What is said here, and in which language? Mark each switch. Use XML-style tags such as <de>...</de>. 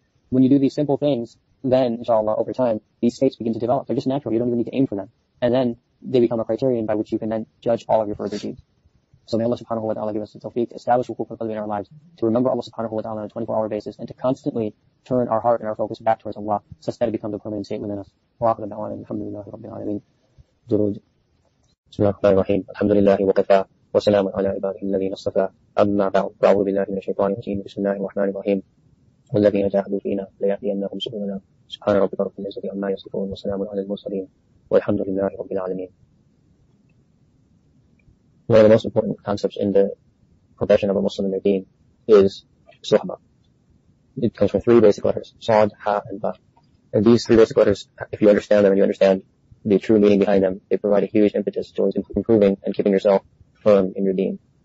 <en>When you do these simple things, then, inshallah, over time, these states begin to develop. They're just natural. You don't even need to aim for them. And then they become a criterion by which you can then judge all of your further deeds. So may Allah subhanahu wa ta'ala give us the tawfiq to establish wukuf al-qalb in our lives, to remember Allah subhanahu wa ta'ala on a 24-hour basis, and to constantly turn our heart and our focus back towards Allah, such that it becomes a permanent state within us.</en> <ar>Wa akhiru da'wana alhamdulillahi rabbil alameen. Durood. بسم الله الرحمن الرحيم الحمد لله وكفى وسلام على عباده الذين اصطفى أما بعد فأعوذ بالله من الشيطان الرجيم بسم الله الرحمن الرحيم والذين جاهدوا فينا ليأتينهم سبلنا سبحان ربك رب العزة عما يصفون وسلام على المرسلين والحمد لله رب العالمين.</ar> <en>One of the most important concepts in the profession of a Muslim in their deen is Suhba. It comes from three basic letters, Sad, Ha, and Ba. And these three basic letters, if you understand them and you understand the true meaning behind them, they provide a huge impetus towards improving and keeping yourself firm in your deen.</en>